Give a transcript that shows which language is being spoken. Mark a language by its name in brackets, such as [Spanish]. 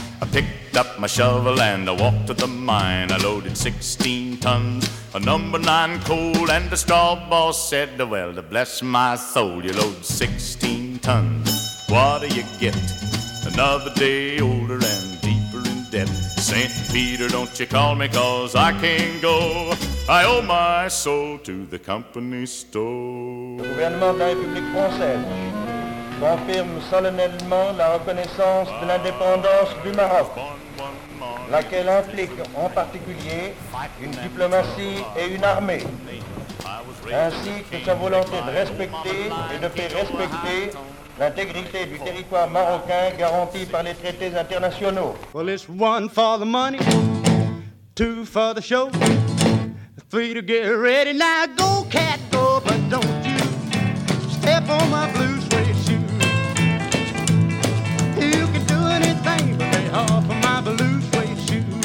[English] I picked up my shovel and I walked to the mine. I loaded 16 tons of number 9 coal, and the straw boss said, well, to bless my soul, you load 16 tons, what do you get? Another day older and deeper in debt. St. Peter, don't you call me, cause I can't go. I owe my soul to the company store. [French] Le gouvernement de la République française confirme solennellement la reconnaissance de l'indépendance du Maroc, laquelle implique en particulier une diplomatie et une armée, ainsi que sa volonté de respecter et de faire respecter l'intégrité du territoire marocain garantie par les traités internationaux. [English] Well, it's one for the money, two for the show. Three to get ready, now go cat go, but don't you step on my blue suede shoe. You can do anything but lay off of my blue suede shoe.